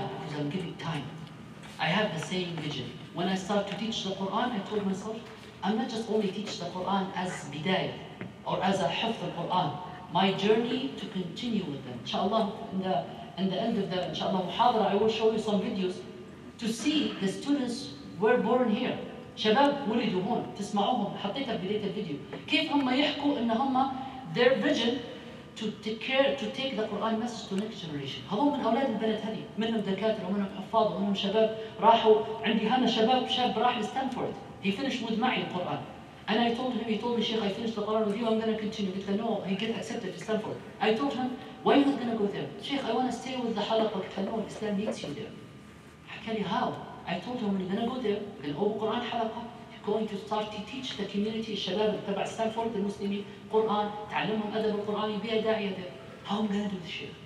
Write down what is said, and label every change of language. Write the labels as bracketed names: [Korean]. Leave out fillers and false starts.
[English] Because I'm giving time. I have the same vision. When I start to teach the Quran, I told myself, I'm not just only teach the Quran as bidayah or as a hafz al Quran. My journey to continue with them. Inshallah, in the end of the inshallah muhadara, I will show you some videos to see the students were born here. [Arabic] شباب ولدوا هون. تسمعوهم. حطيتها في بداية الفيديو. كيف هم يحكوا إن هم [English] their vision to take care to take the Quran message to next generation. [Arabic] هذول من أولاد البلد هذي. منهم دكاترة ومنهم حفاظ ومنهم شباب راحوا عندي هنا شباب شاب راح لستانفورد. [English] He finished with [Arabic] معي القرآن. [English] And I told him he told me شيخ I finished the Quran with you I'm gonna continue. [Arabic] قلت له [English] no he get accepted to Stanford. I told him why are you not gonna go there? شيخ I wanna stay with the حلقة. [Arabic] قلت له [English] no Islam needs you there. [Arabic] حكى لي [English] how. I told him when you're gonna go there then open Quran حلقة. Going to start to teach the community, [Arabic] الشباب تبع [English] Stanford, the Muslims, Quran, [Arabic] تعلمهم أدب القرآن, [English] be a da'iya there. How I'm going to do the shaykh?